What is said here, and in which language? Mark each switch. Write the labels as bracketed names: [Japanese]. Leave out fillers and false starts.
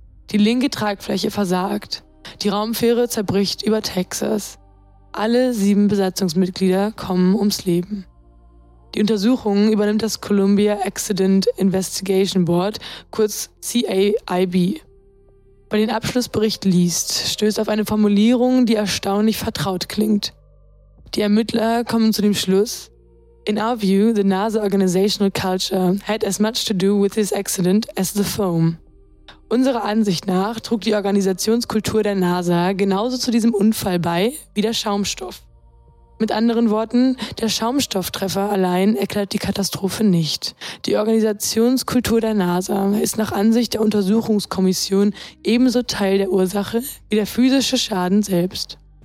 [German] Die linke Tragfläche versagt. Die Raumfähre zerbricht über Texas. Alle 7 Besatzungsmitglieder kommen ums Leben. Die Untersuchungen übernimmt das Columbia Accident Investigation Board, kurz CAIB. Bei den Abschlussbericht liest, stößt auf eine Formulierung, die erstaunlich vertraut klingt. Die Ermittler kommen zu dem Schluss: [English] In our view, the NASA organizational culture had as much to do with this accident as the foam. [German] Unserer Ansicht nach trug die Organisationskultur der NASA genauso zu diesem Unfall bei wie der Schaumstoff. Mit anderen Worten, der Schaumstofftreffer allein erklärt die Katastrophe nicht. Die Organisationskultur der NASA ist nach Ansicht der Untersuchungskommission ebenso Teil der Ursache wie der physische Schaden selbst.